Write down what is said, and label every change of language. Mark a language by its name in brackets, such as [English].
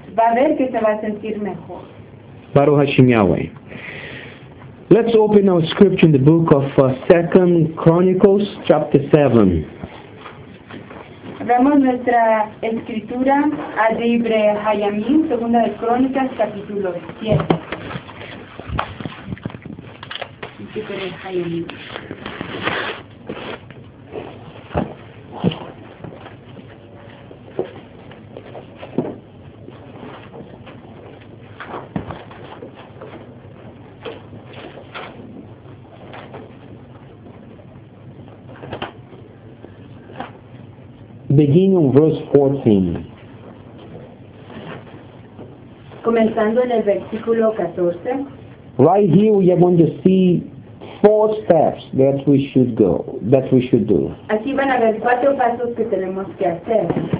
[Spanish] Va a ver que se va a sentir mejor. [Hebrew] Baruch Hashem Yahweh. [English] Let's open our scripture in the book of 2 Chronicles, chapter 7. [Spanish] Vamos nuestra escritura a Libre Hayamim, Segunda de Crónicas, capítulo 7. [English] Beginning on verse 14. [Spanish] Comenzando en el versículo 14. [English] Right here we are going to see four steps that we should go, that we should do. [Spanish] Aquí van a ver cuatro pasos que tenemos que hacer.